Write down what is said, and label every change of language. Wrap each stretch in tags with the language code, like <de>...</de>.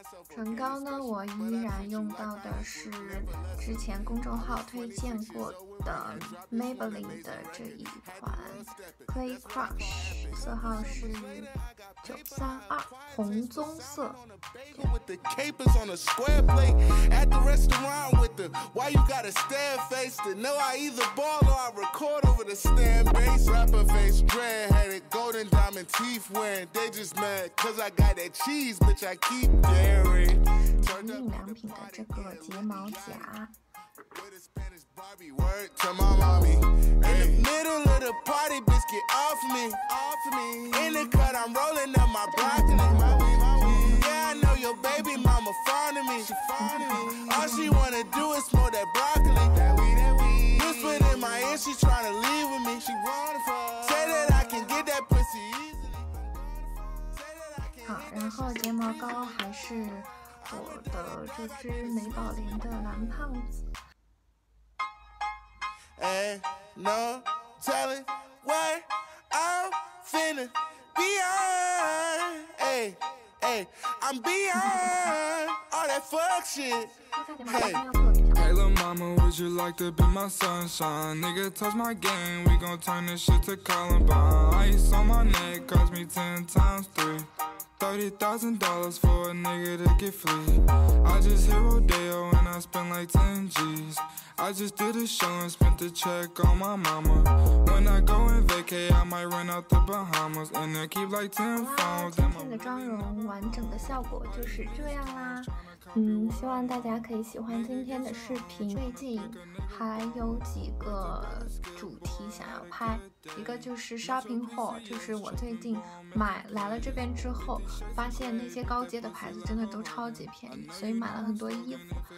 <zh>唇膏呢，我依然用到的是之前公众号推荐过的 Maybelline 的这一款 Clay Crush， 色号是932红棕色。</zh> <en>With the capers on a square plate at the restaurant with the why you got a stare face to know I either ball or I record over the stand bass rapper face dread headed golden diamond teeth wearing they just mad cause I got that cheese bitch I keep daring turn up the party and let me get it with a Spanish Barbie word to my mommy in the middle of the party biscuit off me in the cut I'm rolling up my block and my weed Your baby mama fond of me, she fond of me. All she wanna do is smoke that broccoli. That weed, that weed. Whisper in my ear, she tryna leave with me. She wanna fall. Say that I can get that pussy easily. Say that I can.</en> <zh>好，然后睫毛膏还是我的这支美宝莲的蓝胖子。</zh> <en>Ain't no telling where I'm finna be on. Hey. Hey, I'm beyond all that fuck shit. Hey, little mama, would you like to be my sunshine? Nigga, touch my game, we gon' turn this shit to Columbine. Ice on my neck, cost me 10 times 3. $30,000 for a nigga to get free. I just hit Rodeo and I spent like 10 G's. I just did a show and spent the check on my mama. When I go and vacay, I might run out the Bahamas. And I keep like 10 phones.</en> <zh>今天的妆容完整的效果就是这样啦。希望大家可以喜欢今天的视频。最近还有几个主题想要拍，一个就是 shopping haul， 就是我最近买来了这边之后，发现那些高阶的牌子真的都超级便宜，所以买了很多衣服。</zh>